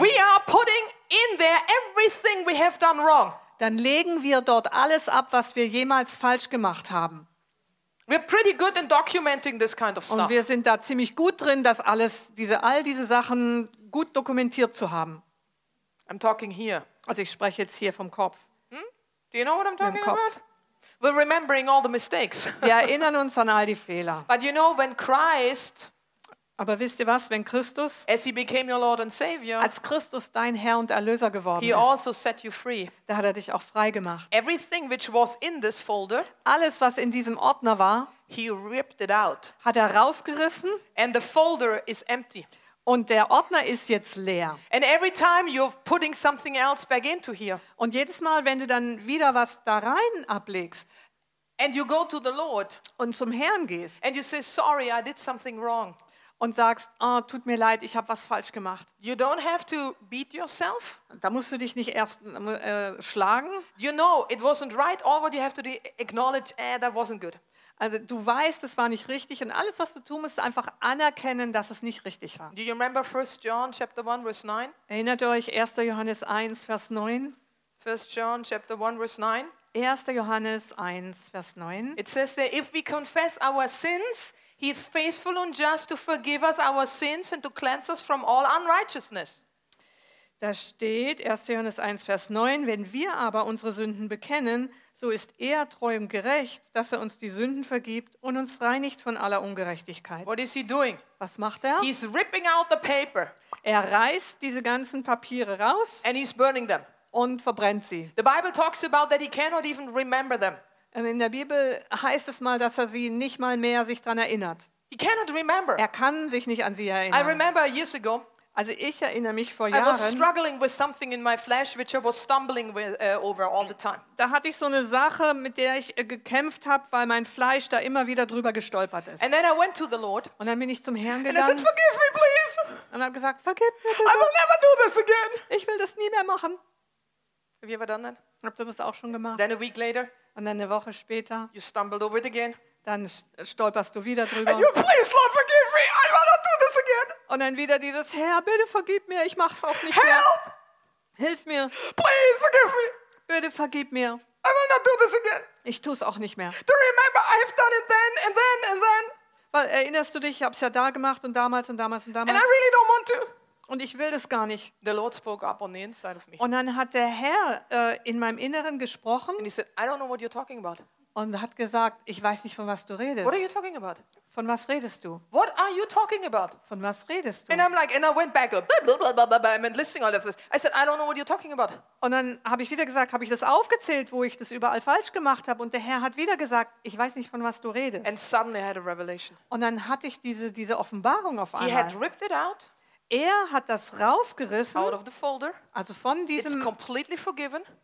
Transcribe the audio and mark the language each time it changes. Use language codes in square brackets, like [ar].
[en] we are putting in there everything we have done wrong. [de] Dann legen wir dort alles ab, was wir jemals falsch gemacht haben. [en] We're pretty good in documenting this kind of stuff. [de] Und wir sind da ziemlich gut drin, das alles, all diese Sachen gut dokumentiert zu haben. [en] I'm talking here. [de] Also ich spreche jetzt hier vom Kopf. Hm? [en] Do you know what I'm talking about? We're remembering all the mistakes. [de] Wir erinnern uns an all die Fehler. [en] But you know, when Christ, [de] aber wisst ihr was, wenn Christus, [en] as he became your Lord and Savior, [de] als Christus dein Herr und Erlöser geworden [en] he [de] ist, [en] also set you free. [de] Da hat er dich auch frei gemacht. [en] Everything which was in this folder, [de] alles was in diesem Ordner war, [en] he ripped it out. [de] Hat er rausgerissen. [en] And the folder is empty. [de] Und der Ordner ist jetzt leer. [en] And every time you're putting something else back into here. [de] Und jedes Mal, wenn du dann wieder was da rein ablegst, [en] and you go to the Lord, [de] und zum Herrn gehst, [en] and you say, sorry, I did something wrong, [de] und sagst, oh, tut mir leid, ich habe was falsch gemacht. [en] You don't have to beat yourself. [de] Da musst du dich nicht erst schlagen. [en] You know, it wasn't right. All what you have to do, acknowledge, that wasn't good. [de] Also du weißt, es war nicht richtig und alles, was du tun musst, ist einfach anerkennen, dass es nicht richtig war. [en] Do you remember 1 John chapter 1 verse 9? [de] Erinnert ihr euch 1. Johannes 1 Vers 9? [en] 1 John chapter 1 verse 9. [de] 1. Johannes 1 Vers 9. [en] It says that if we confess our sins, he is faithful and just to forgive us our sins and to cleanse us from all unrighteousness. [de] Da steht 1. Johannes 1 Vers 9, wenn wir aber unsere Sünden bekennen, so ist er treu und gerecht, dass er uns die Sünden vergibt und uns reinigt von aller Ungerechtigkeit. [en] What is he doing? [de] Was macht er? [en] He's ripping out the paper. [de] Er reißt diese ganzen Papiere raus. [en] And he's burning them. [de] Und verbrennt sie. [en] The Bible talks about that he cannot even remember them. [de] Und in der Bibel heißt es mal, dass er sie nicht mal mehr sich dran erinnert. [en] He cannot remember. [de] Er kann sich nicht an sie erinnern. [en] I remember years ago. [de] Also ich erinnere mich vor Jahren. [en] I was struggling with something in my flesh, which I was stumbling with, over all the time. [de] Da hatte ich so eine Sache, mit der ich gekämpft habe, weil mein Fleisch da immer wieder drüber gestolpert ist. [en] And then I went to the Lord. [de] Und dann bin ich zum Herrn gegangen. [en] And I said, forgive me, please. [de] Und habe gesagt, vergib mir. [en] I will never do this again. [de] Ich will das nie mehr machen. [en] Have you ever done that? [de] Habt ihr das auch schon gemacht? [en] Then a week later. [de] Und dann eine Woche später. [en] You stumbled over it again. [de] Dann stolperst du wieder drüber. [en] And you, please, Lord, forgive me. I will not do this again. [de] Und dann wieder dieses, Herr, bitte vergib mir, ich mach's auch nicht [en] help! [de] Mehr. [en] Help! [de] Hilf mir. [en] Please, forgive me. [de] Bitte vergib mir. [en] I will not do this again. [de] Ich tu's auch nicht mehr. [en] Do you remember, I've done it then and then and then. [de] Weil, erinnerst du dich, ich hab's ja da gemacht und damals und damals und damals. [en] And I really don't want to. [de] Und ich will das gar nicht. [en] The Lord spoke up on the inside of me. [de] Und dann hat der Herr in meinem Inneren gesprochen. [en] And he said, I don't know what you're talking about. [de] Und hat gesagt, ich weiß nicht, von was du redest. [en] What are you talking about? [de] Von was redest du? [en] What are you talking about? [de] Von was redest du? [en] And I'm like, and I went back, blah, blah, blah, blah, blah, blah, and listening all of this. I said, I don't know what you're talking about. [de] Und dann habe ich wieder gesagt, habe ich das aufgezählt, wo ich das überall falsch gemacht habe. Und der Herr hat wieder gesagt, ich weiß nicht, von was du redest. [en] And suddenly I had a revelation. [de] Und dann hatte ich diese Offenbarung auf einmal. [en] He had ripped it out. [de] Er hat das rausgerissen. [en] Out of the folder. [de] Also von diesem. [en] It's completely forgiven.